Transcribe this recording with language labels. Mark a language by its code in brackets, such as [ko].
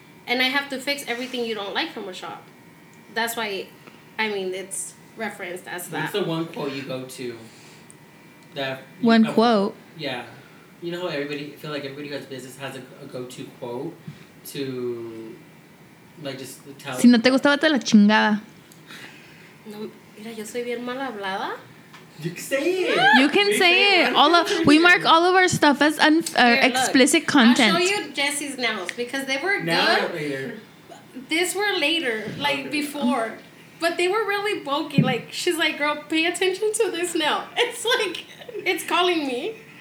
[en] And I have to fix everything you don't like from a shop. That's why, I mean, it's referenced as that. What's the one quote you go to? One quote? Yeah. You know how everybody, I feel like everybody who has business has a go-to quote to, like, just tell. [es] Si no te gustaba, te la chingada. No, mira, yo soy bien mal hablada. [en] You can say it. You can say it. All of, we mark all of our stuff as explicit content. I'll show you Jesse's nails because they were good. Now or later. These were later, like before. But they were really bulky. Like, she's like, girl, pay attention to this nail. It's like, it's calling me.